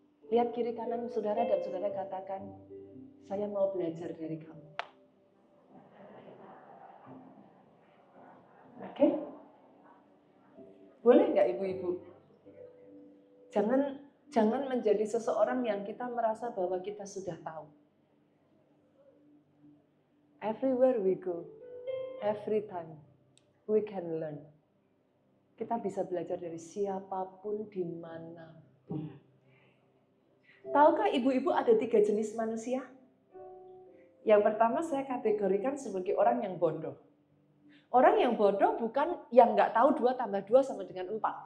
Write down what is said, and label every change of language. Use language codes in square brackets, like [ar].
[id] Lihat kiri kanan saudara dan saudara katakan, saya mau belajar dari kamu. Oke? Boleh enggak ibu-ibu? Jangan menjadi seseorang yang kita merasa bahwa kita sudah tahu. [en] Everywhere we go, every time, we can learn. [id] Kita bisa belajar dari siapapun, dimanapun. Tahukah ibu-ibu ada tiga jenis manusia? Yang pertama saya kategorikan sebagai orang yang bodoh. Orang yang bodoh bukan yang gak tahu 2 tambah 2 sama dengan 4.